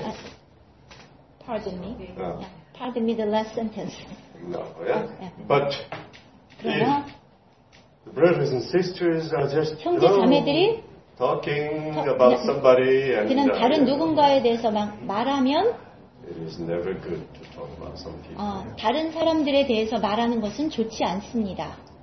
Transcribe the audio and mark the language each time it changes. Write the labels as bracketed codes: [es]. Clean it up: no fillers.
[en] Yeah. Pardon me. Yeah. Pardon me the last sentence. No, yeah. But [ko] 그러나, [en] the brothers and sisters are just [ko] 형제 자매들이 [en] talking about somebody [ko] 그냥 다른 누군가에 대해서 막 말하면 [en] it is never good to talk about some people. [ko] 다른 사람들에 대해서 말하는 것은 좋지 않습니다.